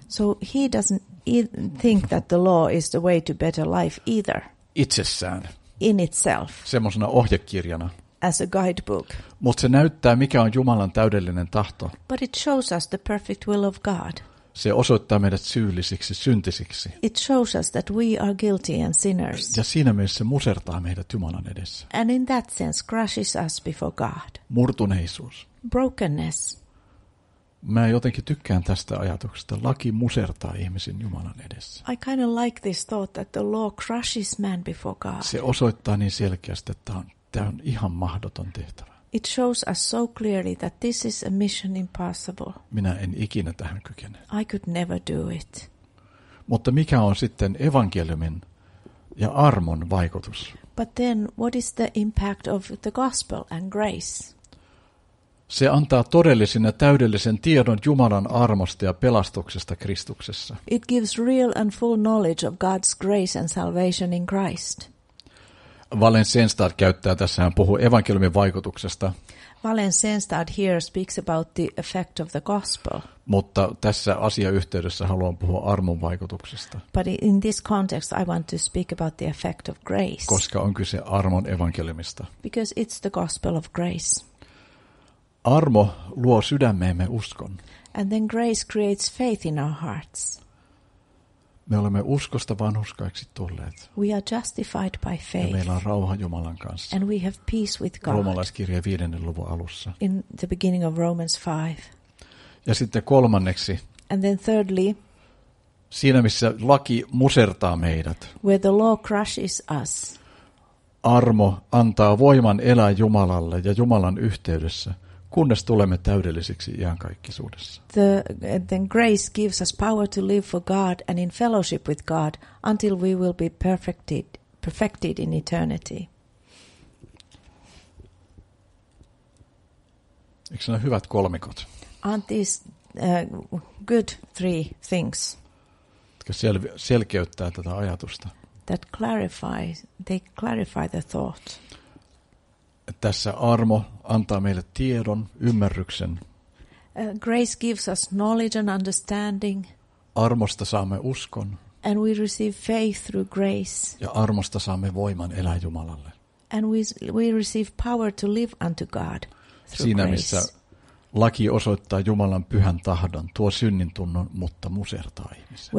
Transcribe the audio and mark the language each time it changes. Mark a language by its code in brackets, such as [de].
[en] So he doesn't think that the law is the way to better life either. [fi] Itsessään. [en] In itself. [fi] Semmoisena ohjekirjana. [en] As a guidebook. [fi] Mutta se näyttää, mikä on Jumalan täydellinen tahto. [en] But it shows us the perfect will of God. [fi] Se osoittaa meidät syyllisiksi, syntisiksi. [en] It shows us that we are guilty and sinners. [fi] Ja siinä mielessä musertaa meidät Jumalan edessä. [en] And in that sense crushes us before God. [fi] Murtuneisuus. [en] Brokenness. [fi] Mä jotenkin tykkään tästä ajatuksesta. Laki musertaa ihmisen Jumalan edessä. [en] I kind of like this thought that the law crushes man before God. [fi] Se osoittaa niin selkeästi, että tämä on ihan mahdoton tehtävä. [en] It shows us so clearly that this is a mission impossible. [fi] Minä en ikinä tähän kykene. [en] I could never do it. [fi] Mutta mikä on sitten evankeliumin ja armon vaikutus? [en] But then, what is the impact of the gospel and grace? [fi] Se antaa todellisen ja täydellisen tiedon Jumalan armosta ja pelastuksesta Kristuksessa. [en] It gives real and full knowledge of God's grace and salvation in Christ. [fi] Valen Senstad käyttää tässä, hän puhuu evankeliumin vaikutuksesta. [en] Valen Senstad here speaks about the effect of the gospel. [fi] Mutta tässä asiayhteydessä haluan puhua armon vaikutuksesta. [en] But in this context I want to speak about the effect of grace. [fi] Koska on kyse armon evankeliumista. [en] Because it's the gospel of grace. [fi] Armo luo sydämeemme uskon. [en] And then grace creates faith in our hearts. [fi] Me olemme uskosta vanhurskaiksi tulleet. [en] We are justified by faith. [fi] Ja meillä on rauha Jumalan kanssa. [en] And we have peace with God. [fi] Roomalaiskirje 5. luvun alussa. [en] In the beginning of Romans 5. [fi] Ja sitten kolmanneksi. [en] And then thirdly. [fi] Siinä missä laki musertaa meidät. [en] Where the law crushes us. [fi] Armo antaa voiman elää Jumalalle ja Jumalan yhteydessä. Kunnes tulemme täydellisiksi iankaikkisuudessa. [en] Then grace gives us power to live for God and in fellowship with God until we will be perfected in eternity. [fi] Eikö ne hyvät kolmikot? [en] Aren't these good three things? [fi] Jotka selkeyttää tätä ajatusta. [en] That they clarify the thought. [fi] Tässä armo antaa meille tiedon, ymmärryksen. [en] Grace gives us knowledge and understanding. [fi] Armosta saamme uskon. [en] And we receive faith through grace. [fi] Ja armosta saamme voiman elää Jumalalle. [en] And we receive power to live unto God through grace. [fi] Siinä missä laki osoittaa Jumalan pyhän tahdon, tuo synnin tunnon, mutta musertaa ihmisen.